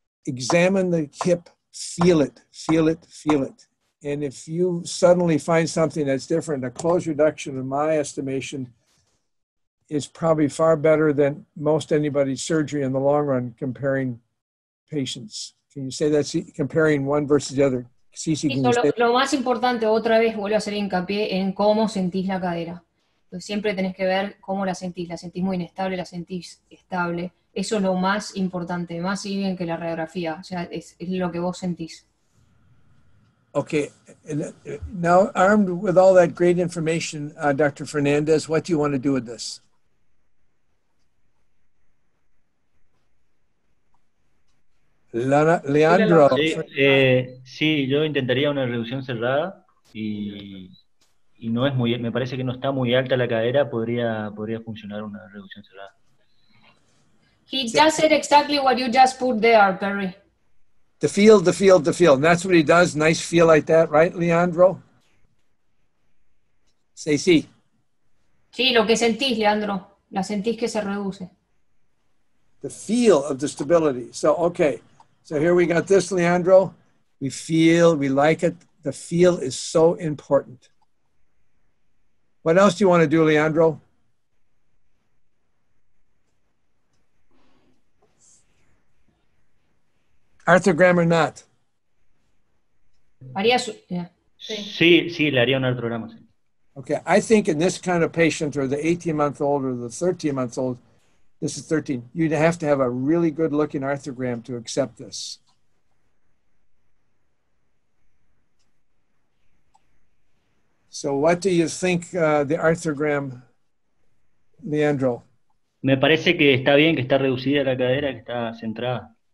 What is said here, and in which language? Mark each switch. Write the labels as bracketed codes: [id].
[en] Examine the hip, feel it. And if you suddenly find something that's different, a close reduction, in my estimation, is probably far better than most anybody's surgery in the long run comparing patients. Can you say that? Comparing one versus the other. [es] Sí, lo más importante, otra vez vuelvo a hacer hincapié en cómo sentís la cadera. Siempre tenés que ver cómo la sentís. ¿La sentís muy inestable? ¿La sentís estable? Eso es lo más importante, más si bien que la radiografía. O sea, es lo que vos sentís. [en] Okay. Now, armed with all that great information, Dr. Fernandez, what do you want to do with this? Leandro. [es] Sí, yo intentaría una reducción cerrada y no es muy, me parece que no está muy alta la cadera, podría funcionar una reducción cerrada. [en] He just said exactly what you just put there, Perry. The feel. And that's what he does. Nice feel like that, right, Leandro? Say sí. [es] Sí, lo que sentís, Leandro. La sentís que se reduce. [en] The feel of the stability. So, okay. So here we got this, Leandro. We feel, we like it. The feel is so important. What else do you want to do, Leandro? Arthrogram or not? [es] Sí, le haría un arthrograma. [en] Okay, I think in this kind of patient, or the 18-month-old or the 13-month-old, this is 13, you'd have to have a really good-looking arthrogram to accept this. So what do you think the arthrogram, Leandro? [es] Me parece que está bien, que está reducida la cadera, que está centrada.